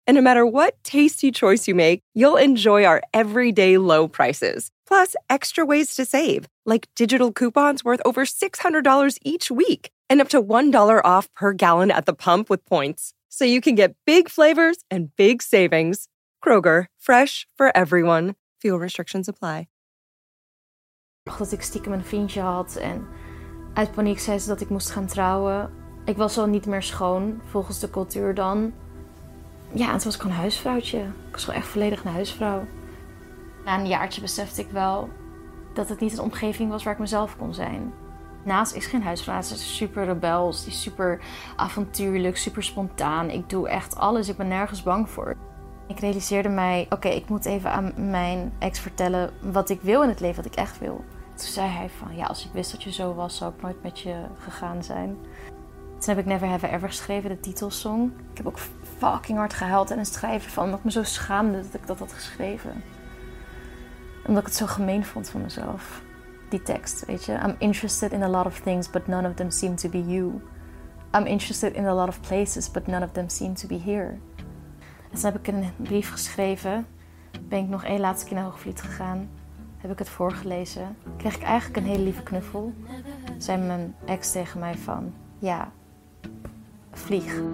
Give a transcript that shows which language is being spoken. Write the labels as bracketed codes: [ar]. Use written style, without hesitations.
[en] And no matter what tasty choice you make, you'll enjoy our everyday low prices, plus extra ways to save, like digital coupons worth over $600 each week, and up to $1 off per gallon at the pump with points. So you can get big flavors and big savings Kroger, fresh for everyone. Fuel restrictions apply. [nl] Dat ik stiekem een vriendje had en uit paniek zei ze dat ik moest gaan trouwen. Ik was al niet meer schoon, volgens de cultuur dan. Ja, het was gewoon een huisvrouwtje. Ik was gewoon echt volledig een huisvrouw. Na een jaartje besefte ik wel dat het niet een omgeving was waar ik mezelf kon zijn. Naast is geen huisvrouw, ze is super rebels, die is super avontuurlijk, super spontaan. Ik doe echt alles, ik ben nergens bang voor. Ik realiseerde mij, oké, ik moet even aan mijn ex vertellen wat ik wil in het leven, wat ik echt wil. Toen zei hij van, ja, als ik wist dat je zo was, zou ik nooit met je gegaan zijn. Toen heb ik Never Have I Ever geschreven, de titelsong. Ik heb ook fucking hard gehuild en een schrijver van, omdat ik me zo schaamde dat ik dat had geschreven. Omdat ik het zo gemeen vond van mezelf. Die tekst, weet je. [en] I'm interested in a lot of things, but none of them seem to be you. I'm interested in a lot of places, but none of them seem to be here. [nl] En toen heb ik een brief geschreven. Ben ik nog één laatste keer naar Hoogvliet gegaan. Heb ik het voorgelezen. Kreeg ik eigenlijk een hele lieve knuffel. Zei mijn ex tegen mij van, ja, vlieg.